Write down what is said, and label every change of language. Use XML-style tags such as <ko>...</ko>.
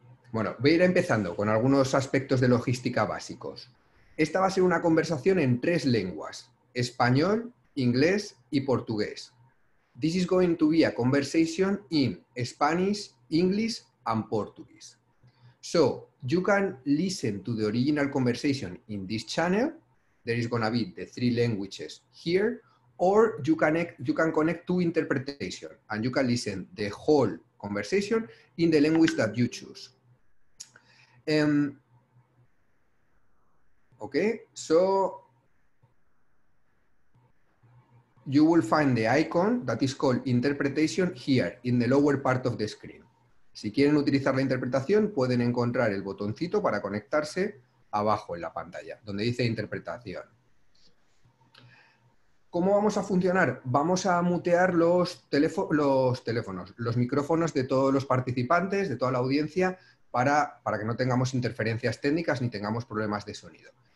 <es>Bueno, voy a ir empezando con algunos aspectos de logística básicos. Esta va a ser una conversación en tres lenguas: español, inglés y portugués.</es> <en>This is going to be a conversation in Spanish, English and Portuguese. So, you can listen to the original conversation in this channel. There is going to be the three languages here, or you can connect to interpretation and you can listen the whole conversation in the language that you choose. Okay, so you will find the icon that is called interpretation here in the lower part of the screen.</en> <es>Si quieren utilizar la interpretación, pueden encontrar el botoncito para conectarse abajo en la pantalla, donde dice interpretación. ¿Cómo vamos a funcionar? Vamos a mutear los micrófonos de todos los participantes, de toda la audiencia, para que no tengamos interferencias técnicas ni tengamos problemas de sonido.</es>